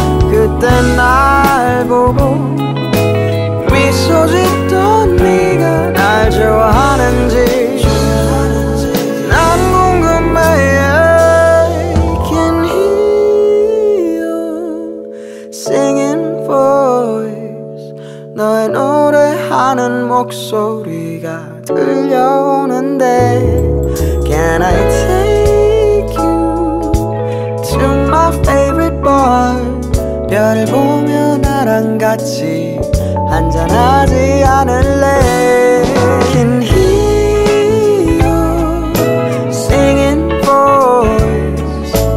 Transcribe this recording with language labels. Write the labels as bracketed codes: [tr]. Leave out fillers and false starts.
[ko] 그때 날 보고 미소 짓던 네가 날 좋아하는지. 난 궁금해. [en] I can hear your singing voice. [ko] 너의 노래하는 목소리 들려오는데. [en] Can I take you to my favorite bar? [ko] 별을 보며 나랑 같이 한잔하지 않을래. [en] Can hear you singing voice.